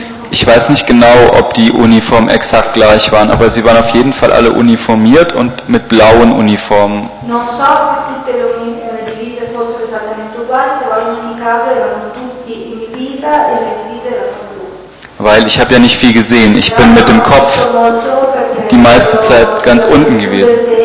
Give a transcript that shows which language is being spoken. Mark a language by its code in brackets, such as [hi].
[de] Ich weiß nicht genau, ob die Uniformen exakt gleich waren, aber sie waren auf jeden Fall alle uniformiert und mit blauen Uniformen. [it] Non so se tutte le divise fossero esattamente uguali, però in ogni caso erano tutti in divisa e le divise erano blu. [de] Weil ich habe ja nicht viel gesehen. Ich bin mit dem Kopf die meiste Zeit ganz unten gewesen.